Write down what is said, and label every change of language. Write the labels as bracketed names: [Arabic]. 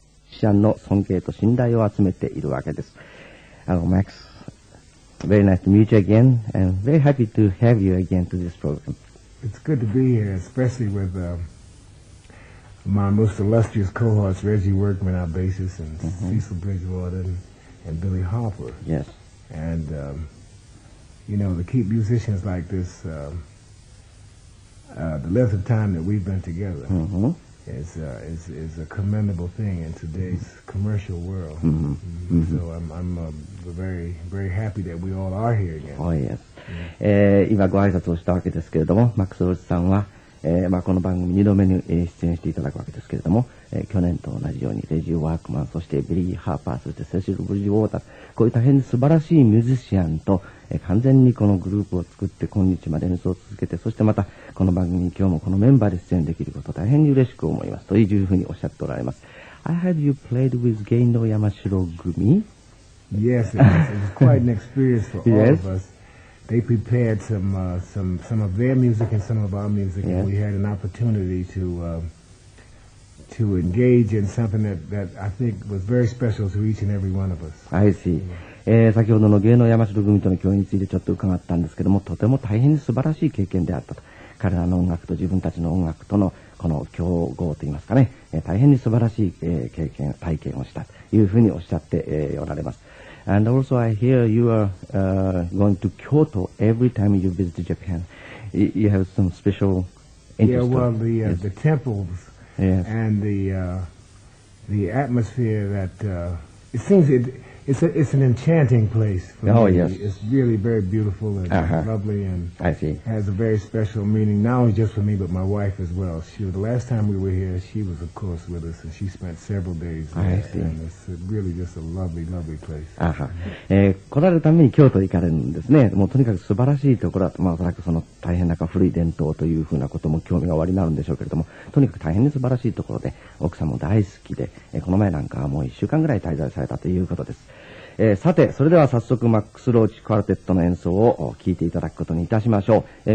[Japanese] シャンの尊敬と信頼を集めているわけです。 [English] Hello, Max. Very nice to meet you again, and very happy to have you again to this program. It's good to be here, especially with my most illustrious cohorts, Reggie Workman, our bassist, and Cecil Bridgewater, and Billy Harper. Yes. And, you know, to keep musicians like this, the length of time that we've been together is a commendable thing in today's commercial world. So I'm very, very happy that we all are here again. Oh, yes. Yeah. [Japanese] 今ご挨拶をしたわけですけれども、マックス・ウォルツさんは、まあ、この番組2度目に出演していただくわけですけれども、去年と同じようにレジー・ワークマン、そしてビリー・ハーパー、そしてセシル・ブリジ・ウォーター、こういう大変素晴らしいミュージシャンと、完全にこのグループを作って今日まで演奏を続けて、そしてまたこの番組に今日もこのメンバーで出演できることを大変に嬉しく思います、というふうにおっしゃっておられます。 [English] I heard you played with Gendo Yamashiro Gumi. Yes, it was quite an experience for all of us. They prepared some of their music and some of our music, and we had an opportunity to engage in something that I think was very special to each and every one of us. I see. [Japanese] 先ほどの芸能山城組との共演についてちょっと伺ったんですけども、とても大変に素晴らしい経験であったと。彼らの音楽と自分たちの音楽とのこの競合といいますかね、大変に素晴らしい経験、体験をしたというふうにおっしゃっておられます。 [English] And also I hear you are going to Kyoto every time you visit Japan. You have some special interest. Yeah, well, the temples and the atmosphere that it seems it's an enchanting place for me. Yes. It's really very beautiful and lovely, and I see. Has a very special meaning, not only just for me, but my wife as well. The last time we were here, she was, of course, with us, and she spent several days there. I see. And it's really just a lovely, lovely place. [Japanese] 来られるために京都行かれるんですね。もうとにかく素晴らしいところだと、まあ、おそらくその大変な古い伝統というふうなことも興味がおありになるんでしょうけれども、とにかく大変に素晴らしいところで、奥さんも大好きで、この前なんかはもう1週間ぐらい滞在されたということです。さて、それでは早速マックス・ローチ・クワルテットの演奏を聴いていただくことにいたしましょう。